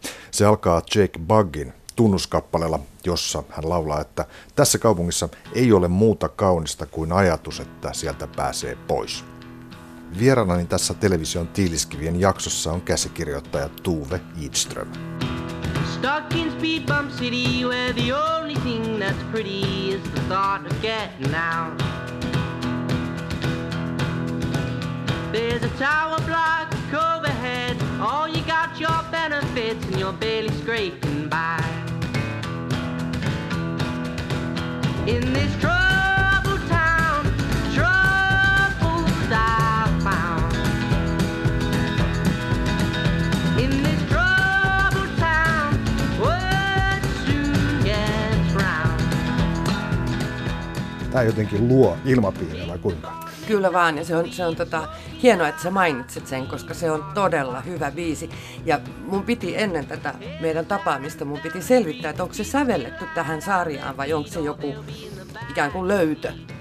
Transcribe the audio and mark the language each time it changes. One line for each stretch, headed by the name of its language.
Finnish: Se alkaa Jake Buggin tunnuskappaleella, jossa hän laulaa, että tässä kaupungissa ei ole muuta kaunista kuin ajatus, että sieltä pääsee pois. Vieraanani tässä television tiiliskivien jaksossa on käsikirjoittaja Tove Edström.
English: Stuck in speed bump city, where the only thing that's pretty is the thought of getting out. There's a tower block overhead. All you got your benefits and you're barely scraping by. In this troubled town, troubles are found. In this troubled town, word soon gets round.
Finnish: Tää jotenkin luo ilmapiirillä kuinka? Kyllä vaan, ja se on hienoa, että sä mainitsit sen, koska se on todella hyvä biisi. Ja mun piti ennen tätä meidän tapaamista, mun piti selvittää, että onko se sävelletty tähän sarjaan vai onko se joku ikään kuin löytö.